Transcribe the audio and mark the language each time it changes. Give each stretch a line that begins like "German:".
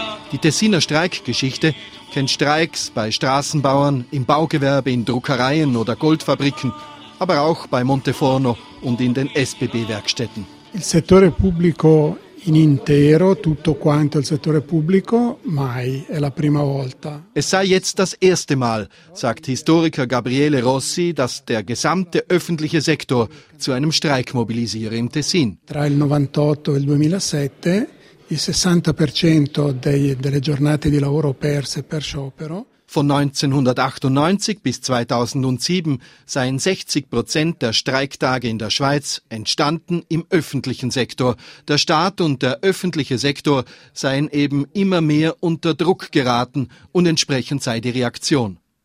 German: Die Tessiner Streikgeschichte kennt Streiks bei Straßenbauern, im Baugewerbe, in Druckereien oder Goldfabriken, aber auch bei Monteforno und in den SBB-Werkstätten.
Italian: Il settore pubblico in intero, tutto quanto il settore pubblico, mai, è la prima volta.
German: Es sei jetzt das erste Mal, sagt Historiker Gabriele Rossi, dass der gesamte öffentliche Sektor zu einem Streik mobilisiere in Tessin.
Italian: Tra il 98 e il 2007 il 60% delle giornate di lavoro perse per sciopero.
German: Von 1998 bis 2007 seien 60% der Streiktage in der Schweiz entstanden im öffentlichen Sektor. Der Staat und der öffentliche Sektor seien eben immer mehr unter Druck geraten und entsprechend sei die Reaktion.